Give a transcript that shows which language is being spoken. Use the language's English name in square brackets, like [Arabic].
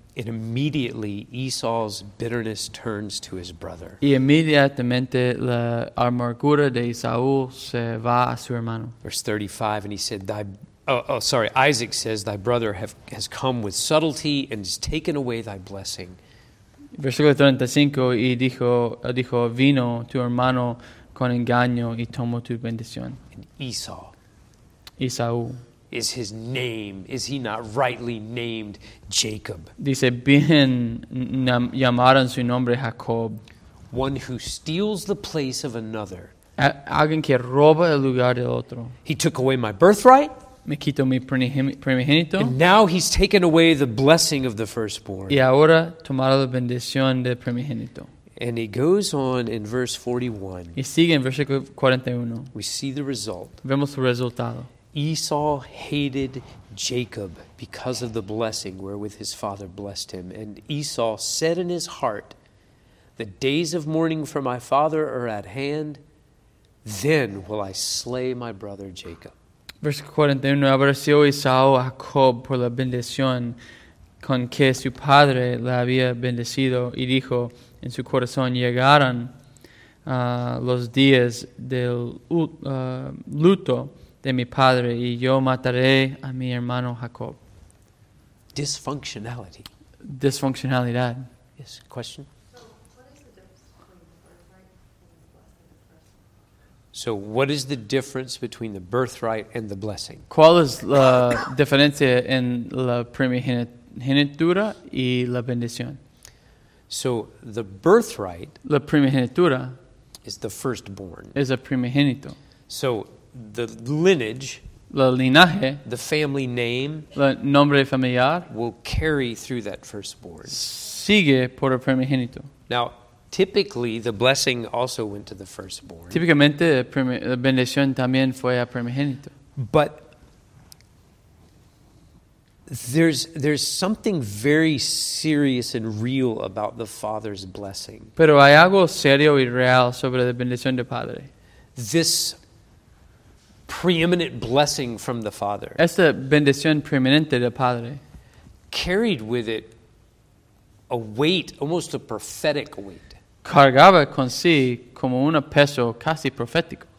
[English] And immediately Esau's bitterness turns to his brother. [Spanish] Y inmediatamente la amargura de Esaú se va a su hermano. [English] Verse 35, and he said, Isaac says, thy brother has come with subtlety and has taken away thy blessing. [Spanish] Versículo 35, y dijo, vino tu hermano con engaño y tomó tu bendición. [English] And Esau. [Spanish] Esaú. [English] Is his name, is he not rightly named Jacob? [Spanish] Dice, bien llamaron su nombre Jacob. [English] One who steals the place of another. [Spanish] Alguien que roba el lugar de otro. [English] He took away my birthright. [Spanish] Me quitó mi primogénito. [English] And now he's taken away the blessing of the firstborn. [Spanish] Y ahora tomará la bendición del primogénito. [English] And he goes on in verse 41. [Spanish] Y sigue en versículo 41. [English] We see the result. [Spanish] Vemos el resultado. [English] Esau hated Jacob because of the blessing wherewith his father blessed him. And Esau said in his heart, the days of mourning for my father are at hand, then will I slay my brother Jacob. [Spanish] Versículo 41, aborreció Esau a Jacob por la bendición con que su padre le había bendecido, y dijo en su corazón, llegaron los días del luto de mi padre, y yo mataré a mi hermano Jacob. [English] Dysfunctionality. [Spanish] Dysfunctionalidad. [English] Yes, question? So what is the difference between the birthright and the blessing? [Spanish] ¿Cuál es la diferencia en la primogenitura y la bendición? [English] So the birthright, [Spanish] la primogenitura, [English] is the firstborn. [Spanish] Es el primogénito. [English] So the lineage, [Spanish] la linaje, [English] the family name, [Spanish] la nombre familiar, [English] will carry through that firstborn. [Spanish] Sigue por el primogénito. [English] Now, typically, the blessing also went to the firstborn. [Spanish] Típicamente, la bendición también fue a primogénito. [English] But there's something very serious and real about the father's blessing. [Spanish] Pero hay algo serio y real sobre la bendición del padre. [English] This preeminent blessing from the father. [Spanish] Esta bendición preeminente del padre. [English] Carried with it a weight, almost a prophetic weight. [Spanish] Cargaba con sí como un peso casi profético.